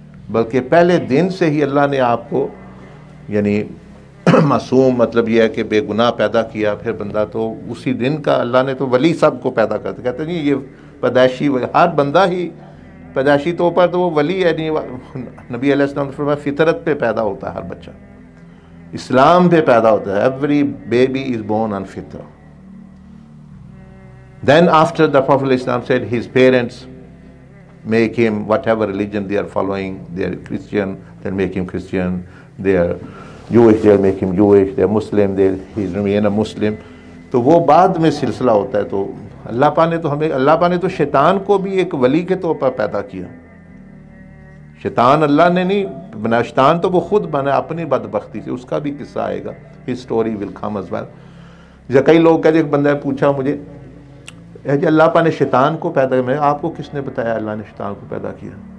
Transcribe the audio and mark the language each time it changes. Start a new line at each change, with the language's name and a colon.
Urdu: بلکہ پہلے دن سے ہی اللہ نے آپ کو یعنی معصوم, مطلب یہ ہے کہ بے گناہ پیدا کیا, پھر بندہ تو اسی دن کا اللہ نے تو ولی سب کو پیدا کر دیا. کہتے ہیں یہ پیدائشی, ہر بندہ ہی پیدائشی طور پر تو وہ ولی ہے نہیں, نبی علیہ السلام نے فرمایا فطرت پہ پیدا ہوتا ہے ہر بچہ, اسلام پہ پیدا ہوتا ہے,
English: Every baby is born on فطرہ. Then after the prophet علیہ السلام said his parents make him whatever religion they are following, they are Christian then make him Christian, they are Jewish they are make him Jewish, they are Muslim they his remain a Muslim.
Urdu: تو وہ بعد میں سلسلہ ہوتا ہے. تو اللہ پاک نے تو ہمیں, اللہ پاک نے تو شیطان کو بھی ایک ولی کے طور پر پیدا کیا, شیطان اللہ نے نہیں بنا, شیطان تو وہ خود بنا اپنی بدبختی سے, اس کا بھی قصہ آئے گا,
English: His story will come as well.
Urdu: یا کئی لوگ کہتے ہیں, ایک بندہ پوچھا مجھے جی اللہ پاک نے شیطان کو پیدا کیا, میں آپ کو کس نے بتایا اللہ نے شیطان کو پیدا کیا,